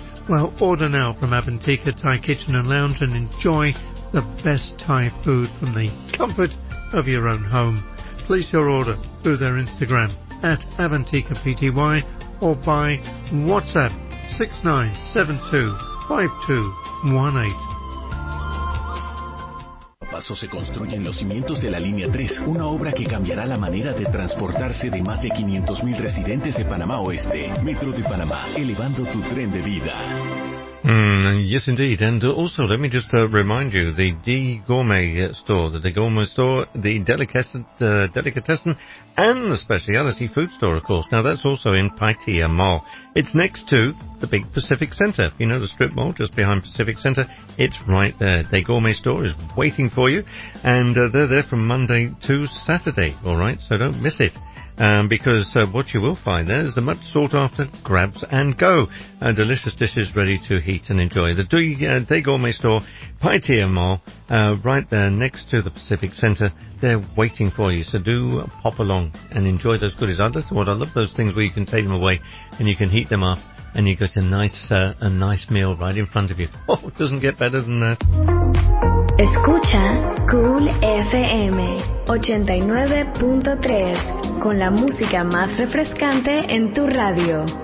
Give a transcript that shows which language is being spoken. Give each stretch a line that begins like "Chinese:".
English: Well, order now from Avantika Thai Kitchen and Lounge and enjoy the best Thai food from the comfort of your own home. Place your order through their Instagram at AvantikaPty or by WhatsApp 6972-5218.
Spanish: Paso se construyen los cimientos de la línea 3, una obra que cambiará la manera de transportarse de más de 500,000 residentes de Panamá Oeste. Metro de Panamá, elevando tu tren de vida.
English: Yes, indeed. And also, let me just remind you, the D Gourmet store, the D Gourmet store, the delicatessen, and the speciality food store, of course. Now, that's also in Paitia Mall. It's next to the big Pacific Center. You know the strip mall just behind Pacific Center? It's right there. The D Gourmet store is waiting for you, and they're there from Monday to Saturday, all right? So don't miss it. Because what you will find there is the much sought after grabs and go. Delicious dishes ready to heat and enjoy. The De Gourmet store, Paitia Mall, right there next to the Pacific Center. They're waiting for you. So do pop along and enjoy those goodies. I love those things where you can take them away and you can heat them up and you get a nice meal right in front of you. Oh, it doesn't get better than that.
Spanish: Escucha Cool FM 89.3 con la música más refrescante en tu radio.